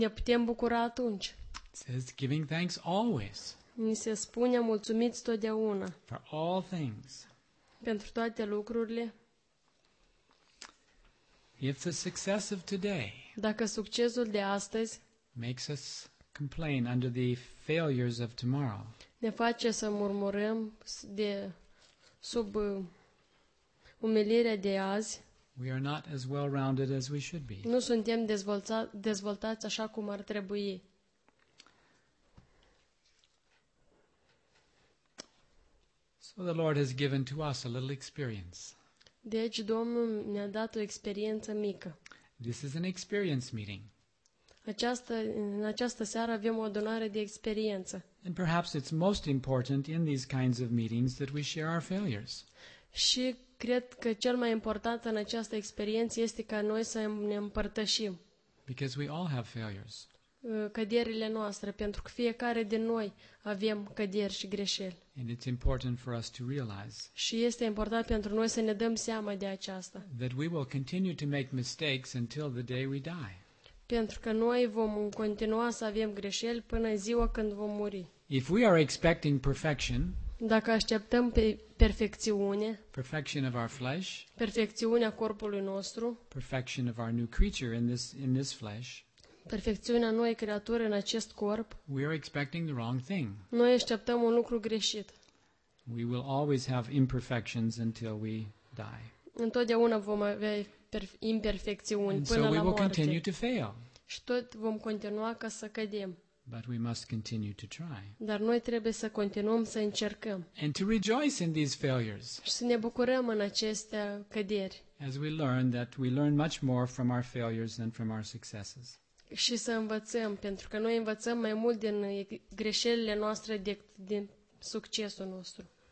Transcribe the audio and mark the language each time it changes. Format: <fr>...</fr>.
<ro>Ne putem bucura atunci.</ro> <en>It says giving thanks always.</en> <ro>Ni se spune mulțumiți totdeauna.</ro> <en>For all things.</en> <ro>Pentru toate lucrurile.</ro> <en>If the success of today,</en> <ro>Dacă succesul de astăzi</ro> <en>makes us complain under the failures of tomorrow.</en> <ro>Ne face să murmurăm de sub umilirea de azi.</ro> <en>We are not as well-rounded as we should be.</en> <ro>Nu suntem dezvoltați așa cum ar trebui.</ro> <en>So the Lord has given to us a little experience.</en> <ro>Deci Domnul ne-a dat o experiență mică.</ro> <en>This is an experience meeting.</en> <ro>În această seară avem o adunare de experiență.</ro> <en>And perhaps it's most important in these kinds of meetings that we share our failures.</en> <ro>Și cred că cel mai important în această experiență este ca noi să ne împărtășim.</ro> <en>Because we all have failures.</en> <ro>Căderile noastre, pentru că fiecare din noi avem căderi și greșeli.</ro> <en>And it's important for us to realize.</en> <ro>Și este important pentru noi să ne dăm seama de aceasta.</ro> <en>That we will continue to make mistakes until the day we die.</en> <ro>Pentru că noi vom continua să avem greșeli până ziua când vom muri.</ro> <en>If we are expecting perfection,</en> <ro>dacă așteptăm pe perfecțiune,</ro> <en>perfection of our flesh,</en> <ro>perfecțiunea corpului nostru,</ro> <en>perfection of our new creature in this flesh,</en> <ro>perfecțiunea noii creaturi în acest corp,</ro> <en>we are expecting the wrong thing.</en> <ro>Noi așteptăm un lucru greșit.</ro> <en>We will always have imperfections until we die.</en> <ro>Întotdeauna vom avea imperfecțiuni până la moarte.</ro> <en>So we will continue to fail.</en> <ro>Și tot vom continua ca să cădem.</ro> <en>But we must continue to try.</en> <ro>Dar noi trebuie să continuăm să încercăm.</ro> <en>And to rejoice in these failures.</en> <ro>Și să ne bucurăm în aceste căderi.</ro> <en>As we learn that we learn much more from our failures than from our successes.</en> <ro>Și să învățăm, pentru că noi învățăm mai mult din greșelile noastre decât din succesul nostru.</ro>